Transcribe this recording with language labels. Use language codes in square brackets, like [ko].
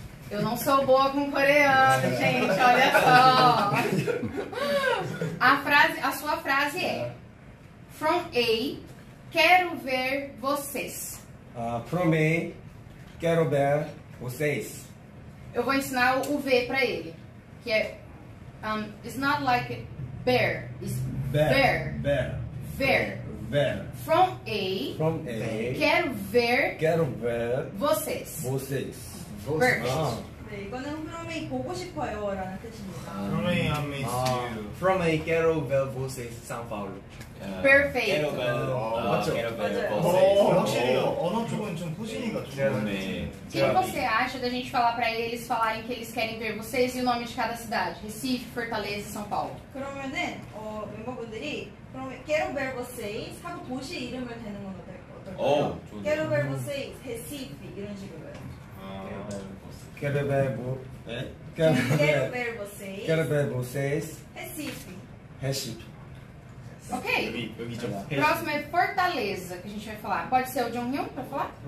[pt] Eu não sou boa com coreano, gente, olha só. A sua frase é From A, quero ver vocês. From A, quero ver vocês. Eu vou ensinar o V pra ele. [en] Que é it's not like bear, it's bear. Bear. Bear. [pt] Ver. Ver. From A, quero ver. Quero ver vocês. Vocês. Ver. Ah. [ko] 네, 이거는 From A 보고 싶어요 라는 뜻입니다. [en] From A, I miss you. [pt] From A, quero ver vocês em São Paulo. [en] Perfect. [pt] Quero ver vocês. [ko] 맞죠? 확실히요. 언어 쪽은 좀 포진이가 좋네. 네. [pt] O que você acha da gente falar pra eles falarem que eles querem ver vocês e o nome de cada cidade? Recife, Fortaleza e São Paulo. [ko] 그러면은 멤버분들이 [pt] quero ver vocês [ko] 하고 도시 이름을 대는 건 어떨까요? [pt] Quero ver vocês, Recife [ko] 이런 식으로요. [pt] Quero ver vocês. Quero ver, quero ver vocês. Quero ver vocês. Recife. Recife. Ok. Eu vi. Próximo é Fortaleza, que a gente vai falar. Pode ser o John Hill pra falar?